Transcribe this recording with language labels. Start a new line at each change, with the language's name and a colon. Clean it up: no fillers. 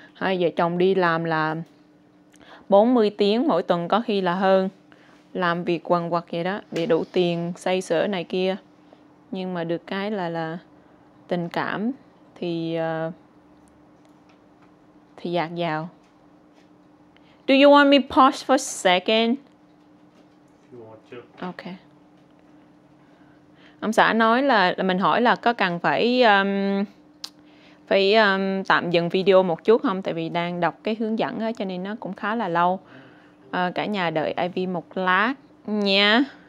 Vietnamese: Hai vợ chồng đi làm là 40 tiếng mỗi tuần có khi là hơn. Làm việc quần quật vậy đó để đủ tiền xây sở này kia. Nhưng mà được cái là tình cảm thì dạt dào.
English: Do you want me to pause for a second? Okay.
Vietnamese: Ông xã nói là mình hỏi là có cần phải phải tạm dừng video một chút không? Tại vì đang đọc cái hướng dẫn á, cho nên nó cũng khá là lâu. Cả nhà đợi Ivy một lát nha.